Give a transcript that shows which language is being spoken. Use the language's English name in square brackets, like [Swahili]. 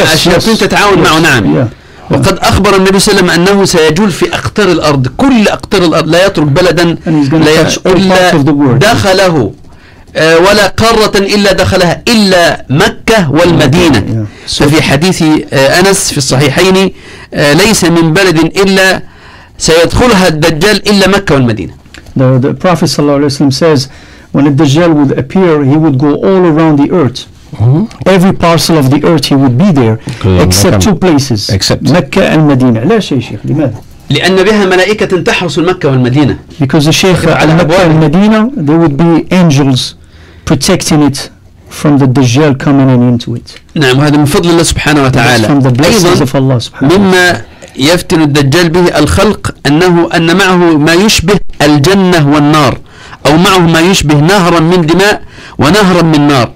[Arabic] الشياطين تتعاون معه نعم. وقد أخبر النبي صلى الله عليه وسلم أنه سيجول في أقطار الأرض كل أقطار الأرض لا يترك بلدا لا إلا دخله ولا قارة إلا دخلها إلا مكة والمدينة. ففي حديث أنس في الصحيحين ليس من بلد إلا سيدخلها الدجال إلا مكة والمدينة. [English] The Prophet [Arabic] صلى الله عليه وسلم [English] says when the Dajjal would appear he would go all around the earth. Mm-hmm. Every parcel of the earth he would be there except two places except Mecca and Medina. [Arabic] لا شيء شيخ لماذا؟ لأن بها ملائكة تحرس المكة والمدينة. [English] Because the Sheikh [Arabic] على مكة والمدينة [English] there would be angels protecting it from the Dajjal coming in into it. [Arabic] نعم وهذا من فضل الله سبحانه وتعالى. [English] From the blessings of Allah سبحانه [Arabic] وتعالى. مما يفتن الدجال به الخلق أنه أن معه ما يشبه الجنة والنار أو معه ما يشبه نهرا من دماء ونهرا من نار.